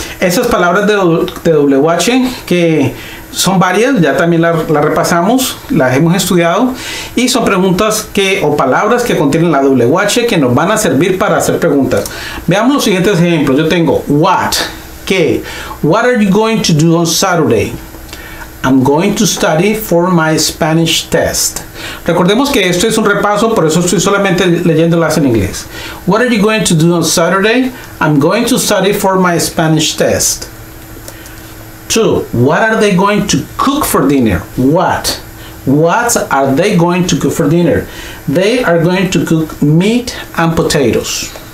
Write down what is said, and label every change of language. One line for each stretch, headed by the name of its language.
Spanish: Esas palabras de WH, que son varias, ya también las repasamos, las hemos estudiado, y son preguntas que o palabras que contienen la WH que nos van a servir para hacer preguntas. Veamos los siguientes ejemplos. Yo tengo
English: what, que, what are you going to do on Saturday? I'm going to study for my Spanish test.
Spanish: Recordemos que esto es un repaso, por eso estoy solamente leyéndolas en inglés.
English: What are you going to do on Saturday? I'm going to study for my Spanish test. Two, what are they going to cook for dinner? What? What are they going to cook for dinner? They are going to cook meat and potatoes.